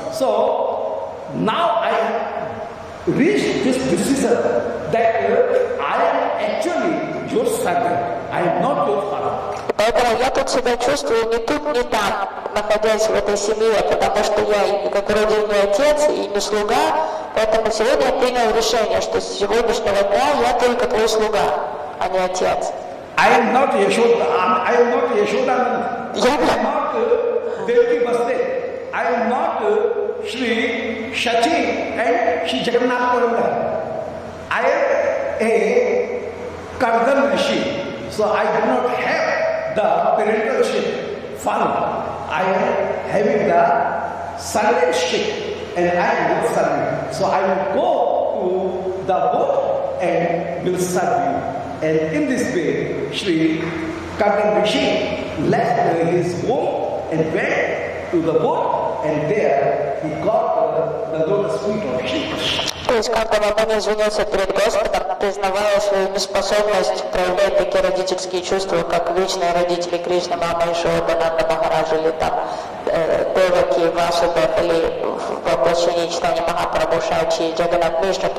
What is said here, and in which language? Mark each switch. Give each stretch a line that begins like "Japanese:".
English: So, now I reached this decision that I am actually your servant. I am not your father.
Russian: Поэтому я тут себя чувствую не тут, не там, находясь в этой семье, потому что я и как родильный отец, и не слуга. Поэтому сегодня я принял решение, что с сегодняшнего дня я только твой слуга, а не отец.
English: I am not Yashoda. I am not Yashoda. I am not Devaki Basde. I am not Shri Shachi and Shri Jagannath Purandar. I am a Kardama Rishi. So I do not have the parentalship fun. I am having the servantship and I am your servant. So I will go to the boat and will serve you. And in this way, Shri Kardama Rishi left his home and went to the boat and there he got the lotus feet of Shri Krishna.
Russian: То есть Кардама Муни извинился перед Господом, признавая свою неспособность проявлять такие родительские чувства, как личные родители Кришны, мама Ишоды, Нанда Махараджа, или там Деваки, Васудев, или воплощение Чайтаньи Махапрабху, Шачи, Джаганнат Мишна.